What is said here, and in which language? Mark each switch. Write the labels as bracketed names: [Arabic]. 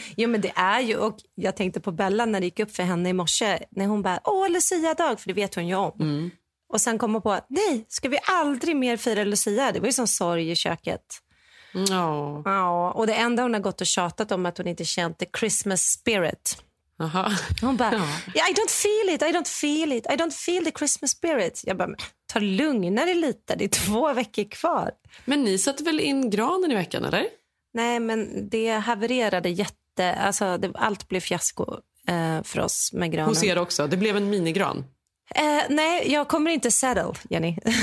[Swedish] Jo, men det är ju, och jag tänkte på Bella när det gick upp för henne i morse. När hon bara, åh, Lucia-dag, för det vet hon ju om. Mm. Och sen kom hon på, nej, ska vi aldrig mer fira Lucia? Det var ju sån sorg i köket. Ja. Ja, och det enda hon har gått och tjatat om att hon inte känt [English] the Christmas spirit. [Swedish] Aha. Hon bara, [English] yeah, I don't feel it, I don't feel the Christmas spirit. [Swedish] Jag bara, ta lugnare lite, det är 2 veckor kvar. Men ni satte väl in granen i veckan, eller? Nej, men det havererade jätte, alltså det, allt blev fiasko för oss med granen. Hon ser också, det blev en minigran. Nej, jag kommer inte settle, Jenny.